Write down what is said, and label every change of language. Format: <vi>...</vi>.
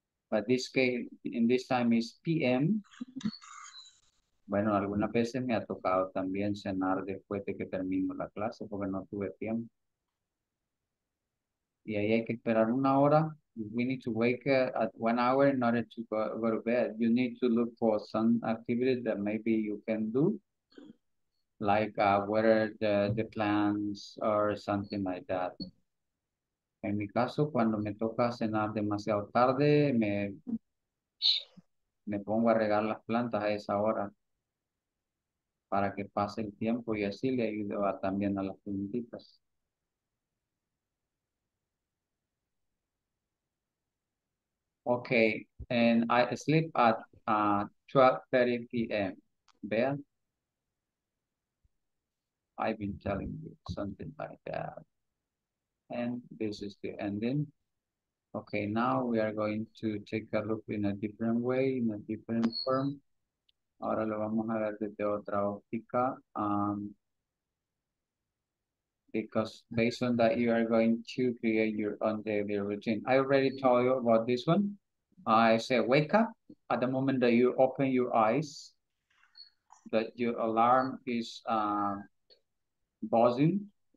<en>But this case, in this time is p.m.</en> <es>Bueno, algunas veces me ha tocado también cenar después de que termino la clase porque no tuve tiempo. Y ahí hay que esperar una hora.</es> <en>We need to wake at 1 hour in order to go to bed. You need to look for some activities that maybe you can do. Like what are the plans or something like that.</en> <es>En mi caso, cuando me toca cenar demasiado tarde, me pongo a regar las plantas a esa hora para que pase el tiempo y así le ayudo también a las plantitas.</es> <en>Okay, and I sleep at 12:30 p.m. Bea? I've been telling you something like that. And this is the ending. Okay, now we are going to take a look in a different way, in a different form.</en> <es>Ahora lo vamos a ver desde otra óptica.</es> <en>Because based on that, you are going to create your own daily routine. I already told you about this one. I say wake up at the moment that you open your eyes, that your alarm is buzzing.</en>